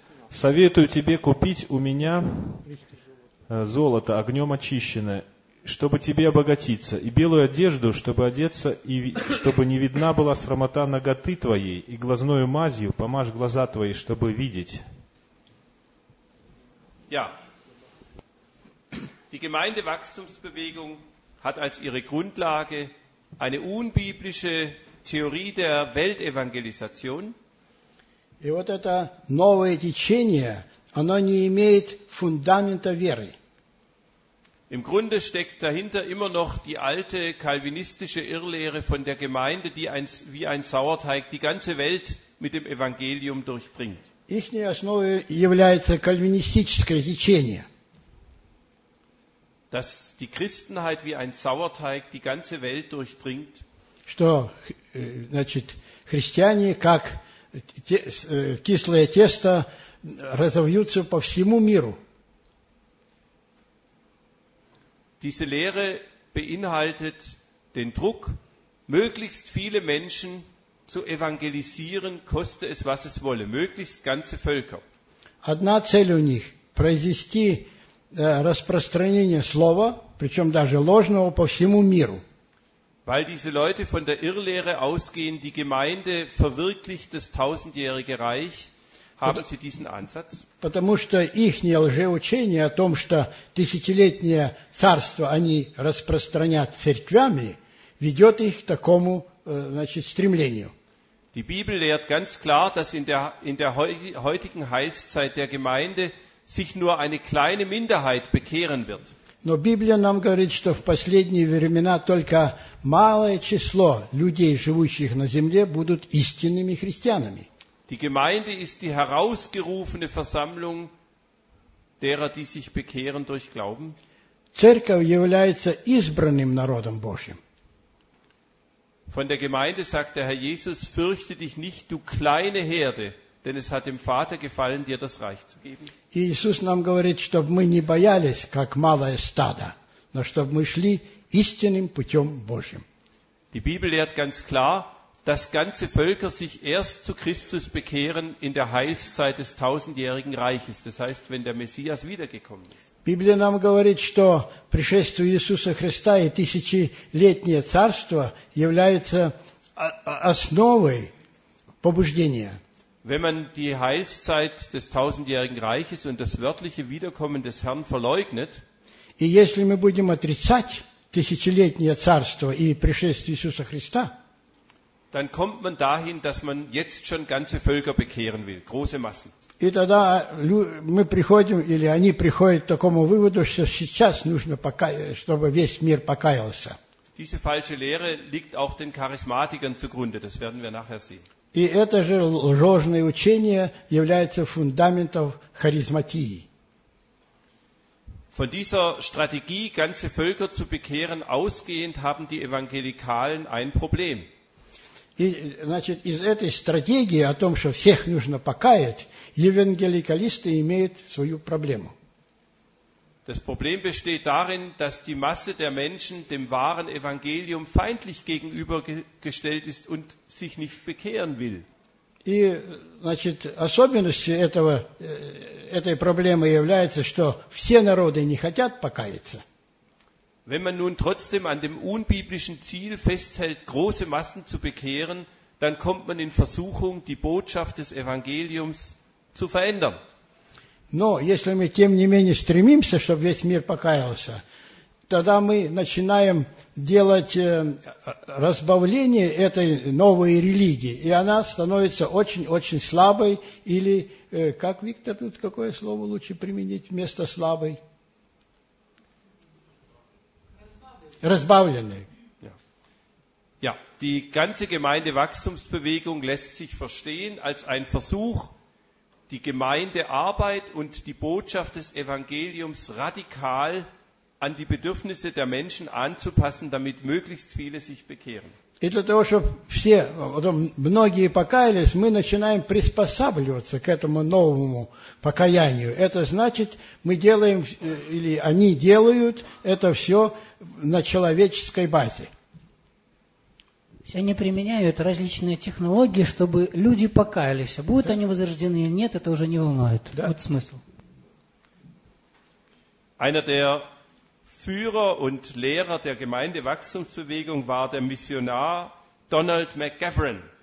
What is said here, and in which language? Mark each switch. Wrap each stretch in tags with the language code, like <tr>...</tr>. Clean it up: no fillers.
<ru>Советую тебе купить у меня золото огнем очищенное, чтобы тебе обогатиться, и белую одежду, чтобы одеться, и чтобы не видна была срамота ноготы твоей, и глазную мазью помажь глаза твои, чтобы видеть.</ru> <de>Ja. Die Gemeindewachstumsbewegung hat als ihre Grundlage eine unbiblische Theorie der Weltevangelisation.</de> <ru>И вот это новое течение, оно не имеет фундамента веры.</ru> <de>Im Grunde steckt dahinter immer noch die alte kalvinistische Irrlehre von der Gemeinde, die wie ein Sauerteig die ganze Welt mit dem Evangelium durchdringt.</de> <ru>Ихней основой является кальвинистическое течение.</ru> <de>Dass die Christenheit wie ein Sauerteig die ganze Welt durchdringt.</de> <ru>Что, значит, христиане как кислое тесто разовьются по всему миру.</ru> <de>Diese Lehre beinhaltet den Druck, möglichst viele Menschen zu evangelisieren, koste es, was es wolle, möglichst ganze Völker.</de> <ru>Одна цель у них – произвести распространение слова, причем даже ложного, по всему миру.</ru> <de>Weil diese Leute von der Irrlehre ausgehen, die Gemeinde verwirklicht das tausendjährige Reich, haben sie diesen Ansatz.</de> <ru>Потому что их лжеучение о том, что тысячелетнее царство они распространят церквями, ведет их к такому, значит, стремлению.</ru> <de>Die Bibel lehrt ganz klar, dass in der heutigen Heilszeit der Gemeinde sich nur eine kleine Minderheit bekehren wird.</de> <ru>Но Библия нам говорит, что в последние времена только малое число людей, живущих на земле, будут истинными христианами.</ru> <de>Die Gemeinde ist die herausgerufene Versammlung derer, die sich bekehren durch Glauben.</de> <ru>Церковь является избранным народом Божьим.</ru> <de>Von der Gemeinde sagt der Herr Jesus, fürchte dich nicht, du kleine Herde, denn es hat dem Vater gefallen, dir das Reich zu geben.</de> <ru>Иисус нам говорит, чтобы мы не боялись, как малое стадо, но чтобы мы шли истинным путем Божьим.</ru> <de>Die Bibel lehrt ganz klar, dass ganze Völker sich erst zu Christus bekehren in der Heilszeit des tausendjährigen Reiches, das heißt, wenn der Messias wiedergekommen ist.</de> <ru>Библия нам говорит, что пришествие Иисуса Христа и тысячелетнее царство является основой побуждения.</ru> <de>Wenn man die Heilszeit des tausendjährigen Reiches und das wörtliche Wiederkommen des Herrn verleugnet,</de> <ru>и если мы будем отрицать тысячелетнее царство и пришествие Иисуса Христа,</ru> <de>dann kommt man dahin, dass man jetzt schon ganze Völker bekehren will, große Massen.</de> <ru>И тогда мы приходим, или они приходят к такому выводу, что сейчас нужно, чтобы весь мир покаялся.</ru> <de>Diese falsche Lehre liegt auch den Charismatikern zugrunde, das werden wir nachher sehen.</de> <ru>И это же ложное учение является фундаментом харизматии.</ru> <de>Von dieser Strategie, ganze Völker zu bekehren, ausgehend haben die Evangelikalen ein Problem.</de> <ru>И, значит, из этой стратегии о том, что всех нужно покаять, евангеликалисты имеют свою проблему.</ru> <de>Das Problem besteht darin, dass die Masse der Menschen dem wahren Evangelium feindlich gegenübergestellt ist und sich nicht bekehren will.</de> <ru>И, значит, особенностью этой проблемы является, что все народы не хотят покаяться.</ru> <de>Wenn man nun trotzdem an dem unbiblischen Ziel festhält, große Massen zu bekehren, dann kommt man in Versuchung, die Botschaft des Evangeliums zu verändern.</de> <ru>Но если мы тем не менее стремимся, чтобы весь мир покаялся, тогда мы начинаем делать разбавление этой новой религии, и она становится очень-очень слабой, или, как Виктор, тут какое слово лучше применить вместо слабой? разбавлены.</ru> <de>Ja, die ganze Gemeindewachstumsbewegung lässt sich verstehen als ein Versuch, die Gemeindearbeit und die Botschaft des Evangeliums radikal an die Bedürfnisse der Menschen anzupassen, damit möglichst viele sich bekehren.</de> <ru>И для того, чтобы все,</ru> <de>oder</de> <ru>многие покаялись, мы начинаем приспосабливаться к этому новому покаянию. Это значит, мы делаем, или они делают это все на человеческой базе. Сегодня применяют различные технологии, чтобы люди покаялись. Будут они возрождены или нет, это уже не волнует. Да. Вот смысл.</ru> <de>Einer der Führer und Lehrer der Gemeindewachstumsbewegung war der Missionar Donald McGovern.</de>